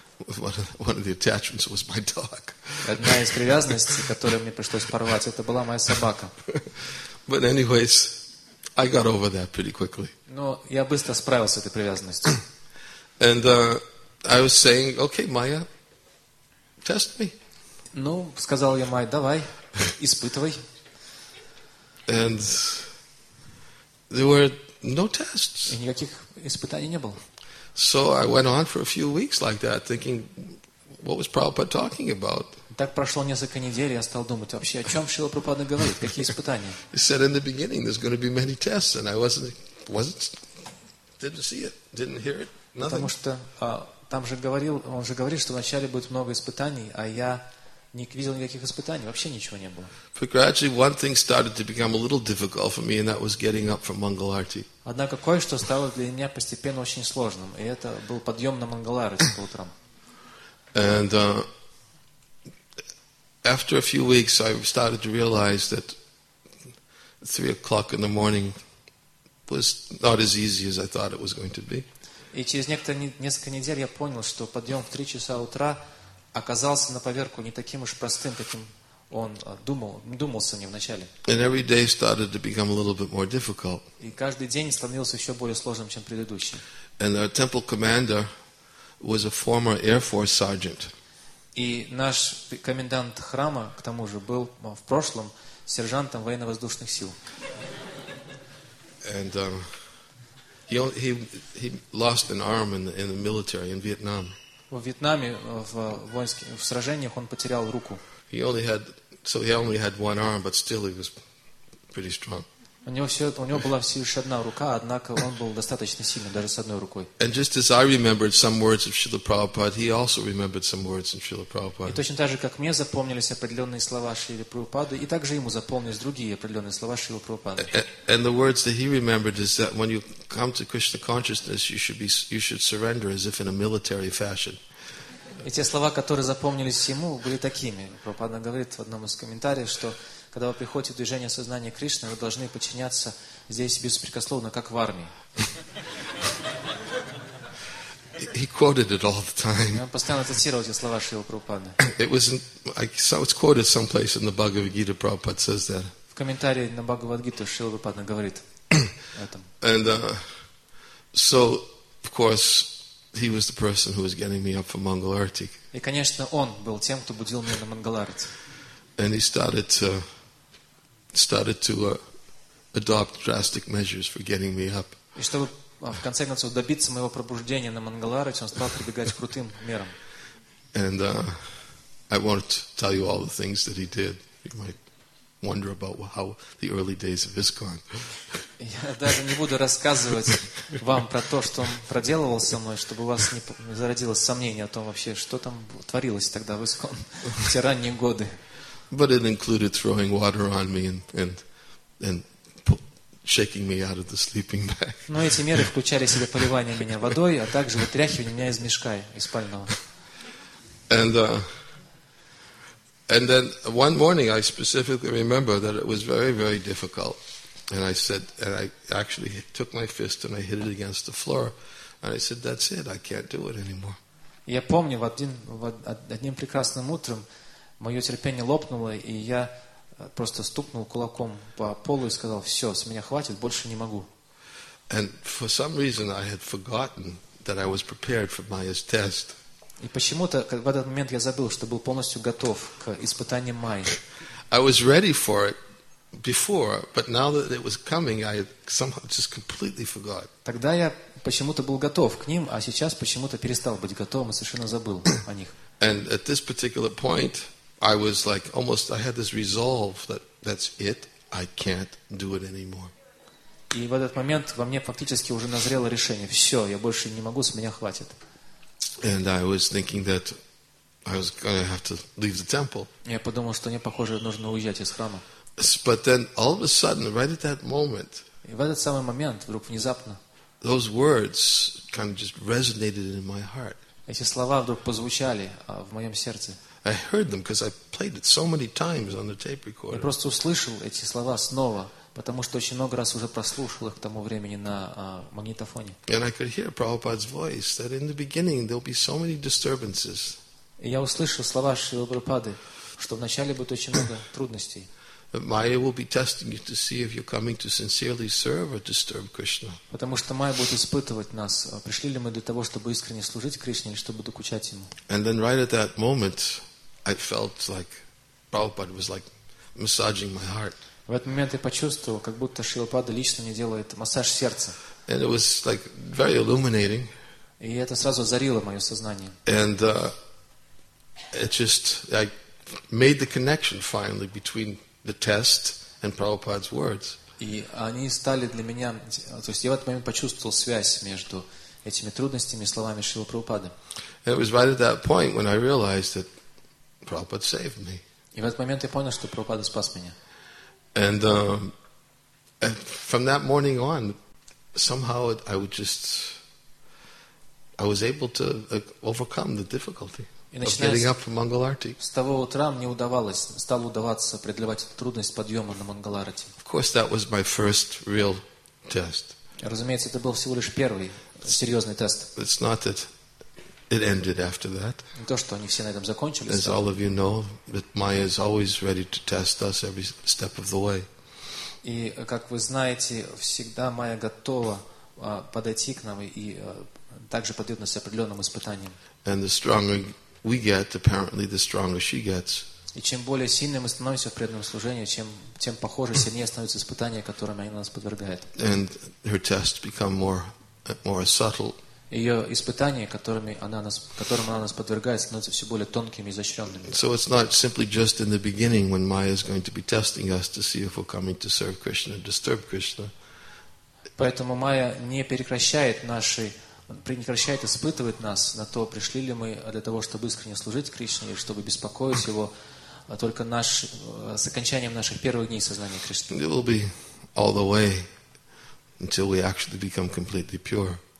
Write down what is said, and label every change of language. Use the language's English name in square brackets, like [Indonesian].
[English] One of the attachments was my dog. [Russian] Одна из привязанностей, которую мне пришлось порвать, это была моя собака. [English] But anyways, I got over that pretty quickly. [Russian] Но я быстро справился с этой привязанностью. [English] And I was saying, okay, Maya, test me. [Russian] Ну, сказал я Майе, давай, испытывай. [English] And there were no tests. [Russian] И никаких испытаний не было. [English] So I went on for a few weeks like that, thinking, what was Prabhupada talking about? [Russian] Так прошло несколько недель, я стал думать вообще, о чем Шрила Прабхупада говорит, какие испытания? [English] He said in the beginning there's going to be many tests, and I wasn't didn't see it, didn't hear it, nothing. [Russian] Потому что он же говорил, что вначале будет много испытаний, а я не видел никаких испытаний, вообще ничего не было. [English] But gradually one thing started to become a little difficult for me, and that was getting up from Mangal Arati. [Russian] Однако кое-что стало для меня постепенно очень сложным, и это был подъем на Mangal Arati по утрам. [English] And after a few weeks, I started to realize that 3 o'clock in the morning was not as easy as I thought it was going to be. [Russian] И через несколько недель я понял, что подъем в 3 часа утра оказался на поверку не таким уж простым, каким он думался мне вначале. [English] And every day started to become a little bit more difficult. [Russian] И каждый день становился еще более сложным, чем предыдущий. [English] And our temple commander was a former Air Force sergeant. [Russian] И наш комендант храма, к тому же, был в прошлом сержантом военно-воздушных сил. [English] And he lost an arm in the military in Vietnam. [Russian] В Вьетнаме в сражениях он потерял руку. [English] He only had one arm, but still he was pretty strong. [Russian] У него была всего лишь одна рука, однако он был достаточно сильным даже с одной рукой. [English] And just as I remembered some words of Srila Prabhupada, he also remembered some words of Srila Prabhupada. [Russian] И точно так же, как мне запомнились определенные слова Шрилы Прабхупады, и также ему запомнились другие определенные слова Шрилы Прабхупады. [English] And the words that he remembered is that when you come to Krishna consciousness, you should surrender as if in a military fashion. [Russian] И те слова, которые запомнились ему, были такими. Прабхупада говорит в одном из комментариев, что когда вы приходите в движение сознания Кришны, вы должны подчиняться здесь беспрекословно, как в армии. [English] He quoted it all the time. [Russian] Он постоянно цитировал эти слова Шрилы Прабхупады. [English] It's quoted someplace in the Bhagavad Gita, Prabhupada says that. [Russian] В комментарии на Бхагавад Гиту Шрила Прабхупада говорит об этом. [English] And so, of course, he was the person who was getting me up from Mangal Arati. [Russian] И, конечно, он был тем, кто будил меня на Mangal Arati. [English] And he started to adopt drastic measures for getting me up. [Russian] И чтобы в конце концов добиться моего пробуждения на Mangal Arati, он стал прибегать к крутым мерам. [English] And I won't tell you all the things that he did. You might wonder about how the early days of ISKCON. [Russian] Я даже не буду рассказывать вам про то, что он проделывал со мной, чтобы у вас не зародилось сомнение о том вообще, что там творилось тогда в ISKCON в те ранние годы. [English] But it included throwing water on me and shaking me out of the sleeping bag. [Russian] Но эти меры включали в себя поливание меня водой, а также вытряхивание меня из мешка, из спального. [English] And then one morning I specifically remember that it was very, very difficult. And I said, and I actually took my fist and I hit it against the floor. And I said, that's it, I can't do it anymore. [Russian] Я помню, одним прекрасным утром мое терпение лопнуло, и я просто стукнул кулаком по полу и сказал: «Все, с меня хватит, больше не могу». [English] And for some reason I had forgotten that I was prepared for Maya's test. [Russian] И почему-то в этот момент я забыл, что был полностью готов к испытаниям Майи. [English] I was ready for it before, but now that it was coming, I somehow just completely forgot. [Russian] Тогда я почему-то был готов к ним, а сейчас почему-то перестал быть готовым и совершенно забыл о них. [English] And at this particular point, I was like almost, I had this resolve that that's it, I can't do it anymore. [Russian] И в этот момент во мне фактически уже назрело решение: все, я больше не могу, с меня хватит. [English] And I was thinking that I was going to have to leave the temple. [Russian] Я подумал, что мне, похоже, нужно уезжать из храма. [English] But then, all of a sudden, right at that moment, [Russian] и в этот самый момент, вдруг внезапно, [English] those words kind of just resonated in my heart. [Russian] Эти слова вдруг позвучали в моем сердце. [English] I heard them because I played it so many times on the tape recorder. [Russian] Я просто услышал эти слова снова, потому что очень много раз уже прослушал их к тому времени на магнитофоне. [English] And I could hear Prabhupada's voice that in the beginning there'll be so many disturbances. [Russian] И я услышал слова Шрилы Прабхупады, что вначале будет очень много трудностей. [English] Майя will be testing you to see if you're coming to sincerely serve or disturb Krishna. [Russian] Потому что Майя будет испытывать нас, пришли ли мы для того, чтобы искренне служить Кришне или чтобы докучать ему. [English] And then right at that moment I felt like Prabhupada was like massaging my heart. [Russian] В этот момент я почувствовал, как будто Шрила Прабхупада лично мне делает массаж сердца. [English] And it was like very illuminating. [Russian] И это сразу озарило мое сознание. [English] And it just, I made the connection finally between the test and Prabhupada's words. [Russian] И они стали для меня, то есть я в этот момент почувствовал связь между этими трудностями и словами Шрилы Прабхупады. [English] And it was right at that point when I realized that Prabhupada saved me. [Russian] И в этот момент я понял, что Прабхупада спас меня. [English] And from that morning on, somehow I was able to overcome the difficulty of getting up for Mangal Arati. [Russian] С того утра мне стало удаваться преодолевать трудность подъема на Мангал Арати. [English] Of course, that was my first real test. [Russian] Разумеется, это был всего лишь первый серьезный тест. [English] It's not that it ended after that. [Russian] Не то, что они все на этом закончились. [English] As all of you know, that Maya is always ready to test us every step of the way. [Russian] И как вы знаете, всегда Майя готова подойти к нам и также подвергнуть нас определенным испытаниям. [English] And the stronger we get, apparently, the stronger she gets. [Russian] И чем более сильным мы становимся в преданном служении, тем похоже сильнее становятся испытания, которыми она нас подвергает. [English] And her tests become more subtle. [Russian] Ее испытания, которым она нас подвергает, становятся все более тонкими и изощренными. [English] So it's not simply just in the beginning when Maya is going to be testing us to see if we're coming to serve Krishna or disturb Krishna. [Russian] Поэтому Майя не прекращает прекращает испытывать нас на то, пришли ли мы для того, чтобы искренне служить Кришне или чтобы беспокоить Его, а только с окончанием наших первых дней сознания Кришны. [English] It will be all the way until we actually become completely pure.